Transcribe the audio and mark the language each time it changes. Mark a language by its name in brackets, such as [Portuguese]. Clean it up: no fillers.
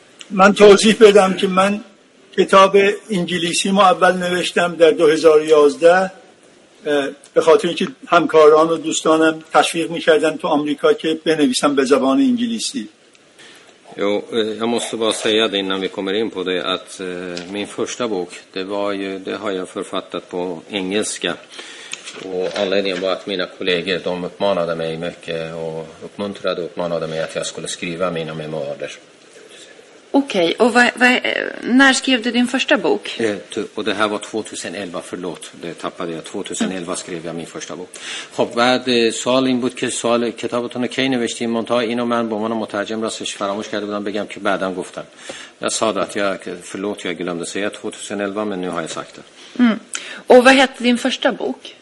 [Persian] من توضیح بدم که من کتاب انگلیسی ما اول نوشتم در 2011 به خاطر اینکه همکاران و دوستانم تشویق میکردن تو آمریکا که بنویسم به زبان انگلیسی. [Swedish] Jo, jag måste bara säga det innan vi kommer in på det att min första bok, det var ju, det har jag författat på engelska. Och anledningen var att mina kollegor, de uppmanade mig mycket och uppmuntrade och uppmanade mig att jag skulle skriva mina memoarer. Okej, okay, och när skrev du din första bok? Och det här var 2011, förlåt, det tappade jag. 2011 skrev jag min första bok. [Persian] خب بعد سوال این بود که سوال کتابتون رو کی نوشتیم منتها اینو من به عنوان مترجم راستش فراموش کرده بودم بگم که بعدا گفتم. [Swedish] Jag sa att jag förlåt jag glömde säga 2011 men nu har jag sagt det. Mm. Och vad hette din första bok?